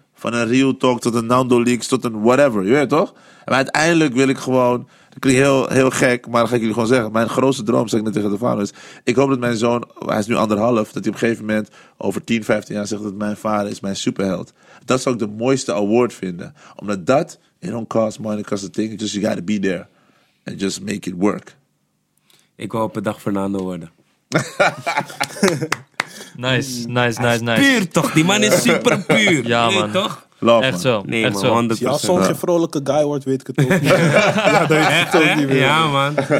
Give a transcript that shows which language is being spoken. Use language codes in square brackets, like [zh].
[nl] Van een Real Talk tot een Nando Leaks tot een whatever, je weet toch? Maar uiteindelijk wil ik gewoon, dat klinkt heel, heel gek, maar dat ga ik jullie gewoon zeggen. Mijn grootste droom, zeg ik net tegen de vader, is, ik hoop dat mijn zoon, hij is nu anderhalf, dat hij op een gegeven moment over 10, 15 jaar zegt dat mijn vader is mijn superheld. Dat zou ik de mooiste award vinden. Omdat dat, [en] it don't cost money, it costs a thing, just you gotta be there. And just make it work. [nl] Ik wou op een dag Fernando worden. Nice. Puur toch, die man is super puur. Ja, man. Nee, toch? Love, echt zo. Man. Nee, echt man. Zo. Ja, soms je vrolijke guy wordt, weet ik het ook. Ja, dat is echt ook niet meer. Ja, man.